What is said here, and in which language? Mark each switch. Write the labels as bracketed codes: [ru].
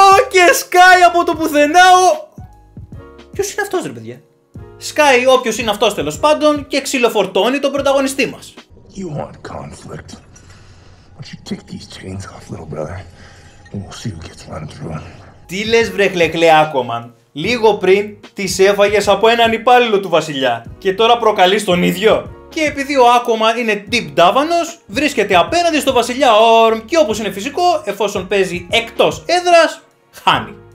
[el] Και σκάει από το πουθενά ο... Ποιος είναι αυτός, ρε παιδιά? Σκάει όποιος είναι αυτός, τέλος πάντων, και ξυλοφορτώνει τον πρωταγωνιστή μας. [en] You want conflict? Why don't you take these chains off, little brother? We'll see who gets run through. [el] Τι λες, βρε χλεκλέ Άκωμαν? Λίγο πριν τις έφαγες από έναν υπάλληλο του βασιλιά και τώρα προκαλείς τον ίδιο? Και επειδή ο Άκωμα είναι deep ντάβανος, βρίσκεται απέναντι στο βασιλιά Όρμ και όπως είναι φυσικό, εφόσον παίζει εκτός έδρας, χάνει.